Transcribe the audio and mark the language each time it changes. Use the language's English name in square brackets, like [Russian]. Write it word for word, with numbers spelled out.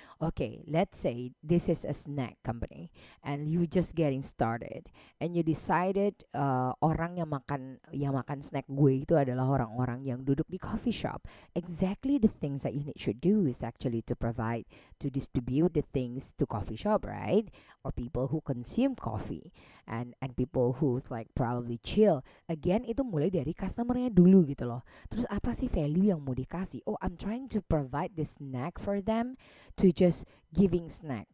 [English] Okay, let's say this is a snack company and you just getting started and you decided uh, [Indonesian] orang yang makan yang makan snack gue itu adalah orang-orang yang duduk di [English] coffee shop. Exactly the things that you need should do is actually to provide, to distribute the things to coffee shop, right? Or people who consume coffee and and people who's like probably chill. [Indonesian] Again, itu mulai dari customernya dulu gitu loh. Terus apa sih value yang mau dikasih? [English] Oh, I'm trying to provide this snack for them to just giving snack.